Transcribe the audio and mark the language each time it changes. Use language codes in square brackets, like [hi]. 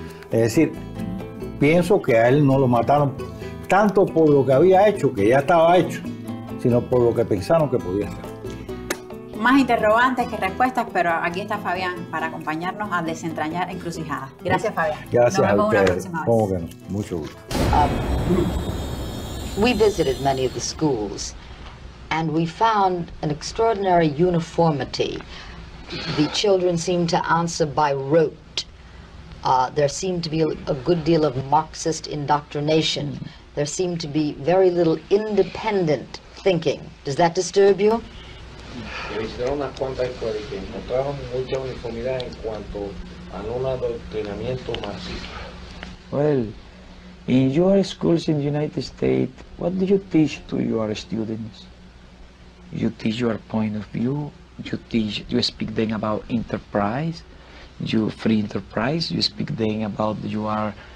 [es] Es decir, pienso que a él no lo mataron tanto por lo que había hecho, que ya estaba hecho, sino por lo que pensaron que podía ser. Más interrogantes que respuestas, pero aquí está Fabián para acompañarnos a desentrañar encrucijadas. Gracias, Fabián. Gracias. Nos vemos a usted. Una próxima vez. ¿Cómo que no? Mucho gusto. [en] We visited many of the schools and we found an extraordinary uniformity. The children seemed to answer by rote. There seemed to be a good deal of Marxist indoctrination. There seemed to be very little independent thinking. Does that disturb you? [es] Hicieron unas cuantas escuelas que encontraron mucha uniformidad en cuanto a un adoctrinamiento masivo. [en] Well, in your schools in the United States, what do you teach to your students? You teach your point of view, you speak them about enterprise, you free enterprise, you speak them about you are